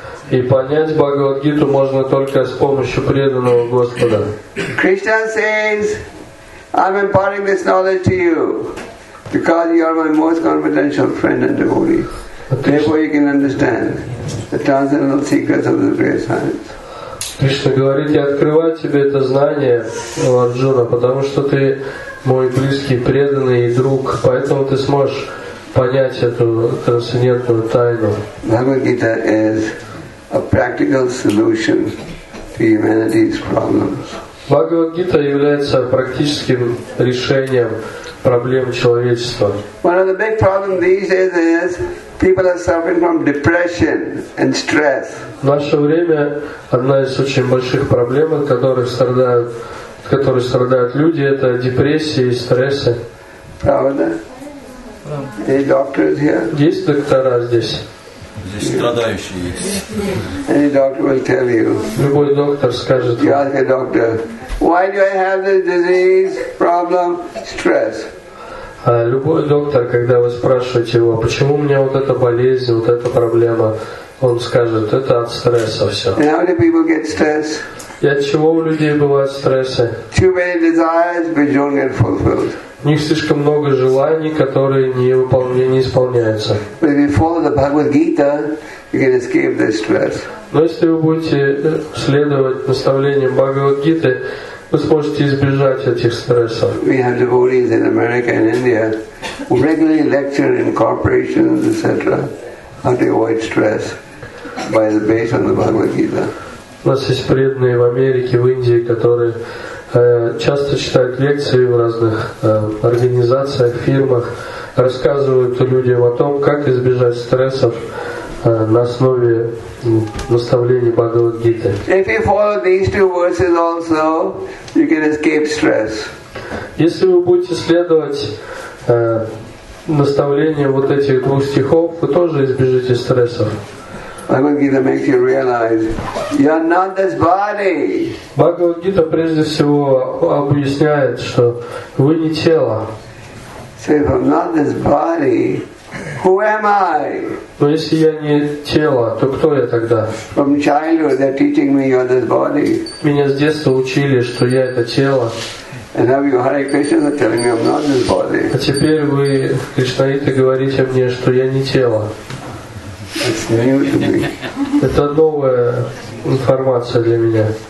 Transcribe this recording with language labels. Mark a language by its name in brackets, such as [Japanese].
[Russian] И понять Бхагавад-гиту можно только с помощью преданного Господа. [English] Krishna says, I'm imparting this knowledge to you because you are my most confidential friend and devotee. Therefore you can understand the transcendental secrets of the great science. [Russian] Кришна говорит, я открываю тебе это знание, Арджуна, потому что ты мой близкий, преданный и друг, поэтому ты сможешь понять эту трансцендентную тайну. [English] Бхагавад-гита is a practical solution to humanity's problems. [Russian] Бхагавад-гита является практическим решением проблем человечества. [English] One of the big problems these days is people are suffering from depression and stress. [Russian] В наше время одна из очень больших проблем, от которых страдают люди, это депрессия и стрессы. Правда? [English] Any doctors here? [Russian] Есть доктора здесь? Здесь страдающие есть. [English] Any doctor will tell you. [Russian] Любой доктор скажет вам. [English] You ask a doctor, why do I have this disease, problem, stress? [Russian] Любой доктор, когда вы спрашиваете его, почему у меня вот эта болезнь, вот эта проблема, он скажет, это от стресса все. [English] And how do people get stress? [Russian] И от чего у людей бывают стрессы? [English] Too many desires, which don't get fulfilled. [Russian] У них слишком много желаний, которые не исполняются. [English] But if you follow the Bhagavad Gita, you can escape this stress. [Russian] Но если вы будете следовать наставлениям Бхагавад Гиты, вы сможете избежать этих стрессов. [English] We have devotees in America and India who regularly lecture in corporations, etc., how to avoid stress by the base on the Bhagavad Gita. [Russian] У нас есть преданные в Америке, в Индии, которые часто читают лекции в разных организациях, фирмах, рассказывают людям о том, как избежать стрессов на основе наставлений Бхагавад-гиты. [English] If you follow these two verses also, you can escape stress. [Russian] Если вы будете следовать наставлениям вот этих двух стихов, вы тоже избежите стрессов. [English] Bhagavad-gita makes you realize you are not this body. [Russian] Бхагавад-гита прежде всего объясняет, что вы не тело. [English] Say, if I'm not this body, Who am I? [Russian] Но если я не тело, то кто я тогда? [English] From childhood they're teaching me you're this body. [Russian] Меня с детства учили, что я это тело. [English] And now you Hare Krishna are telling me I'm not this body. [Russian] А теперь вы кришнаиты говорите мне, что я не тело. [English] That's new to me. [Russian] Это новая информация для меня.